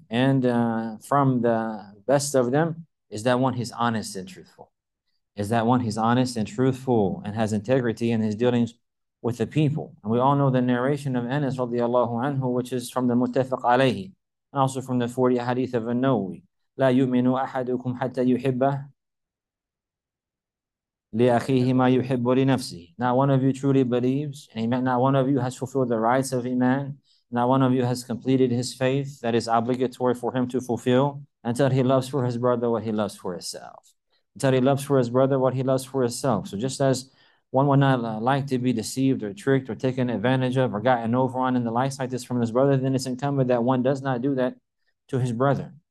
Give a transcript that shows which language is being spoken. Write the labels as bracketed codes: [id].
[en] And from the best of them is that one he's honest and truthful. Is that one he's honest and truthful and has integrity in his dealings with the people. And we all know the narration of Anas radiallahu anhu, which is from the Muttafaq alayhi, and also from the 40 hadith of An-Nawawi. [ar] لا يؤمن أحدكم حتى يحب لأخيه ما يحب لنفسه. [en] Not one of you truly believes, and not one of you has fulfilled the rights of Iman, not one of you has completed his faith that is obligatory for him to fulfill, until he loves for his brother what he loves for himself. Until he loves for his brother what he loves for himself. So just as one would not like to be deceived or tricked or taken advantage of or gotten over on and the likes like this from his brother, then it's incumbent that one does not do that to his brother.